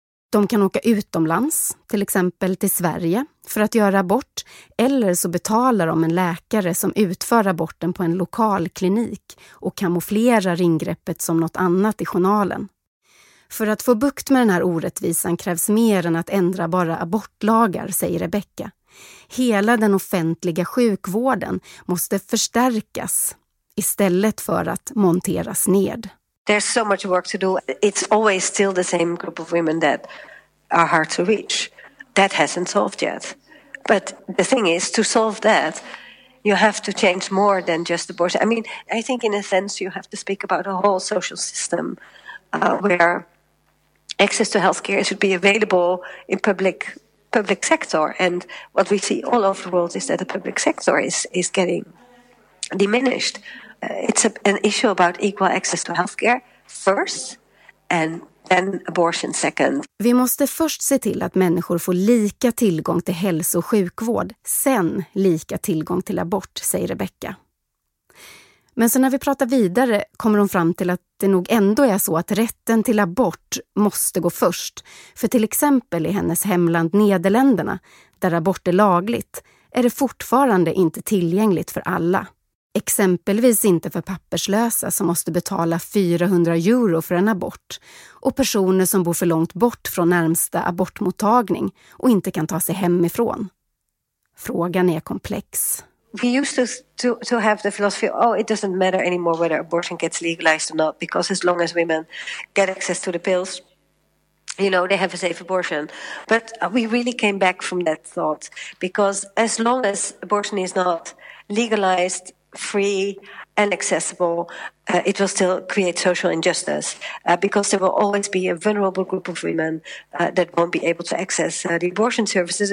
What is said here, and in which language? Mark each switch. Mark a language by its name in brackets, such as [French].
[Swedish] De kan åka utomlands, till exempel till Sverige, för att göra abort, eller så betalar de en läkare som utför aborten på en lokal klinik och kamouflerar ingreppet som något annat i journalen. För att få bukt med den här orättvisan krävs mer än att ändra bara abortlagar, säger Rebecca. Hela den offentliga sjukvården måste förstärkas istället för att monteras ned. [English] There's so much work to do. It's always still the same group of women that are hard to reach. That hasn't solved yet. But the thing is, to solve that, you have to change more than just abortion. I mean, I think in a sense you have to speak about a whole social system where access to healthcare should be available in public sector. And what we see all over the world is that the public sector is getting diminished. It's an issue about equal access to healthcare first and then abortion second. [Swedish] Vi måste först se till att människor får lika tillgång till hälso- och sjukvård, sen lika tillgång till abort, säger Rebecca. Men så när vi pratar vidare kommer hon fram till att det nog ändå är så att rätten till abort måste gå först. För till exempel i hennes hemland Nederländerna, där abort är lagligt, är det fortfarande inte tillgängligt för alla. Exempelvis inte för papperslösa som måste betala 400 euro för en abort och personer som bor för långt bort från närmsta abortmottagning och inte kan ta sig hemifrån. Frågan är komplex. [English] We used to have the philosophy, oh, it doesn't matter anymore whether abortion gets legalized or not, because as long as women get access to the pills, you know, they have a safe abortion. But we really came back from that thought, because as long as abortion is not legalized, free and accessible, it will still create social injustice because there will always be a vulnerable group of women that won't be able to access the abortion services.